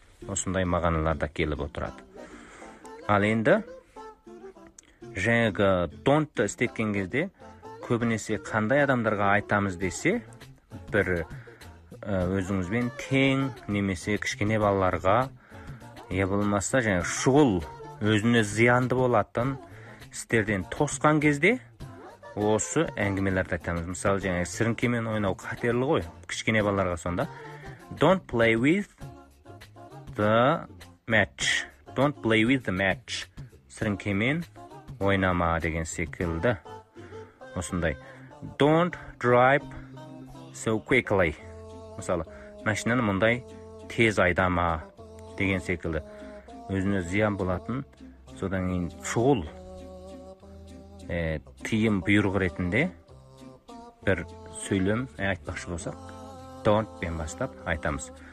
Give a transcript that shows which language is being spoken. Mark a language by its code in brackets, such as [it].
[kk] Осындай мағаналарда келіп отырады. Ал енді жаңағы don't істеткен кезде көбінесе қандай адамдарға айтамыз десе, бір өзіңізбен тең немесе кішкене балаларға, е болмаса жаңағы шұғыл өзіне зиянды болатын істерден тосқан кезде осы әңгімелерді айтамыз. Мысалы жаңағы сіріңкемен ойнау қатерлі ғой кішкене балаларға. Сонда [en] don't play with the match. Don't play with the match. [kk] Сіріңкемен ойнама деген секілді. Осындай. [en] Don't drive so quickly. [kk] Мысалы, машинаны мұндай тез айдама деген секілді. Өзіне зиян болатын, содан кейін шұғыл тыйым бұйрық ретінде бір сөйлем айтпақшы болсақ, don't бен бастап айтамыз.